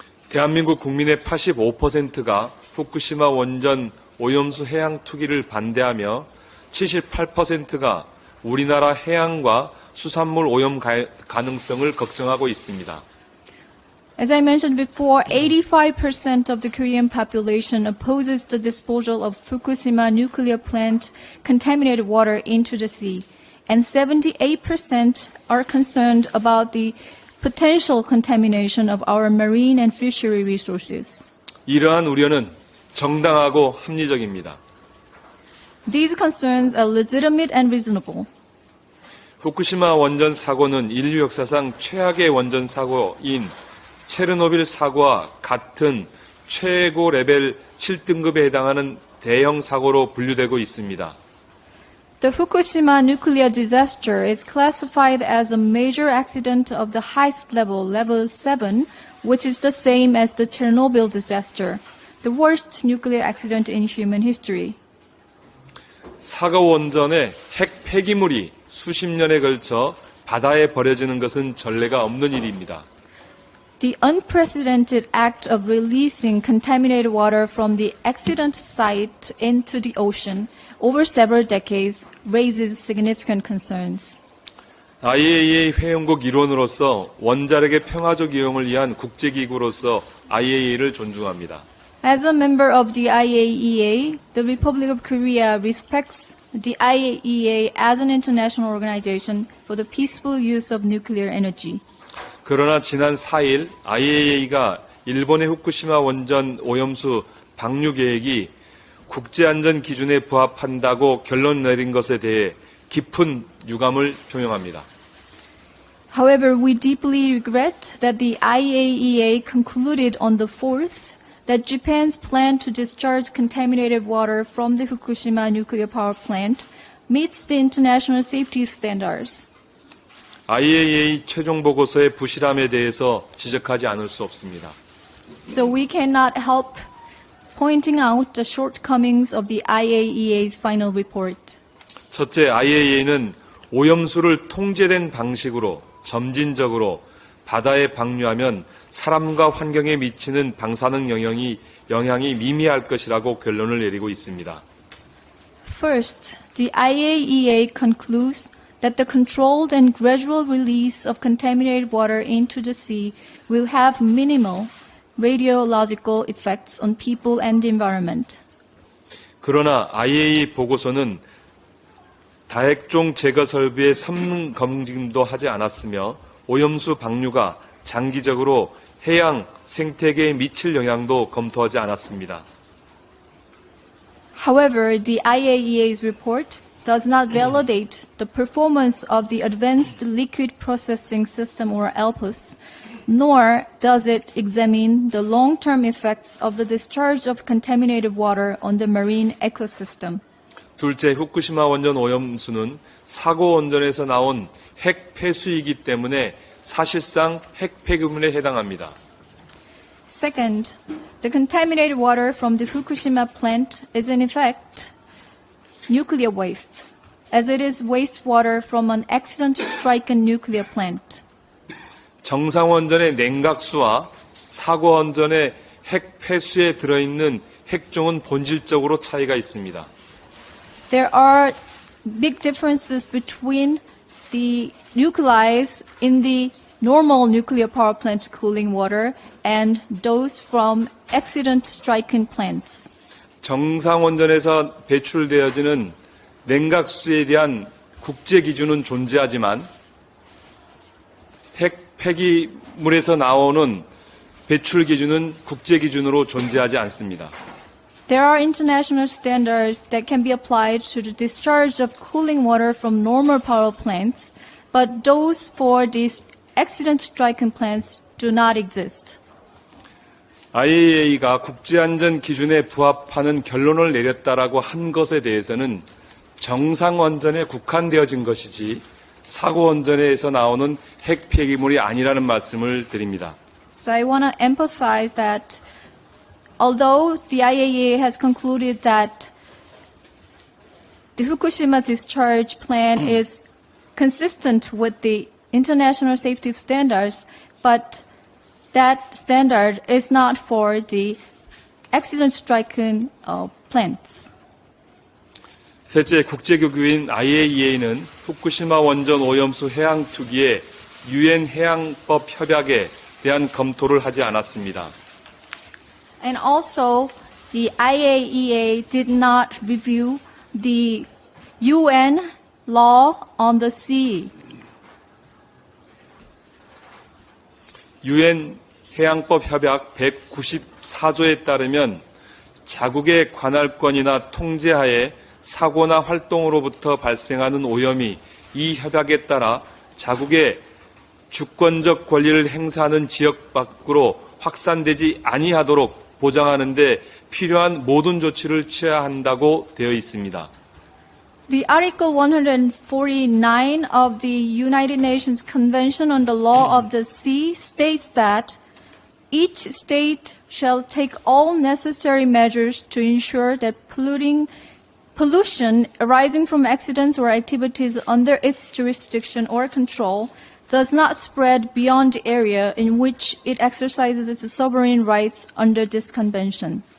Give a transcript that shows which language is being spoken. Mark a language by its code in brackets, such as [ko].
[ko] 대한민국 국민의 85%가 후쿠시마 원전 오염수 해양 투기를 반대하며 78%가 우리나라 해양과 수산물 오염 가능성을 걱정하고 있습니다. [en] As I mentioned before, 85% of the Korean population opposes the disposal of Fukushima nuclear plant contaminated water into the sea, and 78% are concerned about the potential contamination of our marine and fishery resources. [ko] 이러한 우려는 정당하고 합리적입니다. [en] These concerns are legitimate and reasonable. [ko] 후쿠시마 원전 사고는 인류 역사상 최악의 원전 사고인 체르노빌 사고와 같은 최고 레벨 7등급에 해당하는 대형 사고로 분류되고 있습니다. [en] The Fukushima nuclear disaster is classified as a major accident of the highest level, level 7, which is the same as the Chernobyl disaster, the worst nuclear accident in human history. [ko] 사고 원전의 핵 폐기물이 수십 년에 걸쳐 바다에 버려지는 것은 전례가 없는 일입니다. [en] The unprecedented act of releasing contaminated water from the accident site into the ocean over several decades raises significant concerns. [ko] IAEA 회원국 일원으로서 원자력의 평화적 이용을 위한 국제기구로서 IAEA를 존중합니다. [en] As a member of the IAEA, the Republic of Korea respects the IAEA as an international organization for the peaceful use of nuclear energy. [ko] 그러나 지난 4일 IAEA가 일본의 후쿠시마 원전 오염수 방류 계획이 국제안전 기준에 부합한다고 결론 내린 것에 대해 깊은 유감을 표명합니다. [en] However, we deeply regret that the IAEA concluded on the 4th that Japan's plan to discharge contaminated water from the Fukushima nuclear power plant meets the international safety standards. [ko] IAEA 최종 보고서의 부실함에 대해서 지적하지 않을 수 없습니다. [en] So we cannot help pointing out the shortcomings of the IAEA's final report. [ko] 첫째, IAEA는 오염수를 통제된 방식으로 점진적으로 바다에 방류하면 사람과 환경에 미치는 방사능 영향이 미미할 것이라고 결론을 내리고 있습니다. [en] First, the IAEA concludes that the controlled and gradual release of contaminated water into the sea will have minimal radiological effects on people and the environment. [ko] 그러나 IAEA 보고서는 다핵종 제거 설비의 성능 검증도 하지 않았으며 오염수 방류가 장기적으로 해양 생태계에 미칠 영향도 검토하지 않았습니다. [en] However, the IAEA's report does not validate the performance of the Advanced Liquid Processing System, or ALPUS, nor does it examine the long-term effects of the discharge of contaminated water on the marine ecosystem. [ko] 둘째, 후쿠시마 원전 오염수는 사고 원전에서 나온 핵 폐수이기 때문에 사실상 핵 폐기물에 해당합니다. [en] Second, the contaminated water from the Fukushima plant is in effect nuclear waste, as it is wastewater from an accident strike nuclear plant. [ko] 정상 원전의 냉각수와 사고 원전의 핵 폐수에 들어있는 핵종은 본질적으로 차이가 있습니다. [en] There are big differences between the nuclei in the normal nuclear power plant cooling water and those from accident striking plants. [ko] 정상 원전에서 배출되어지는 냉각수에 대한 국제 기준은 존재하지만 핵 폐기물에서 나오는 배출 기준은 국제 기준으로 존재하지 않습니다. [en] There are international standards that can be applied to the discharge of cooling water from normal power plants, but those for these accident striking plants do not exist. [ko] IAEA가 국제안전 기준에 부합하는 결론을 내렸다라고 한 것에 대해서는 정상 원전에 국한되어진 것이지 사고 원전에서 나오는 핵 폐기물이 아니라는 말씀을 드립니다. [en] So I want to emphasize that although the IAEA has concluded that the Fukushima discharge plan is consistent with the international safety standards, but that standard is not for the accident-striking plants. [ko] 셋째, 국제기구인 IAEA는 후쿠시마 원전 오염수 해양 투기에 유엔 해양법 협약에 대한 검토를 하지 않았습니다. [en] And also, the IAEA did not review the UN law on the sea. [ko] UN 해양법 협약 194조에 따르면 자국의 관할권이나 통제하에 사고나 활동으로부터 발생하는 오염이 이 협약에 따라 자국의 주권적 권리를 행사하는 지역 밖으로 확산되지 아니하도록 보장하는 데 필요한 모든 조치를 취해야 한다고 되어 있습니다. [en] The Article 149 of the United Nations Convention on the Law of the Sea states that each state shall take all necessary measures to ensure that pollution arising from accidents or activities under its jurisdiction or control does not spread beyond the area in which it exercises its sovereign rights under this convention.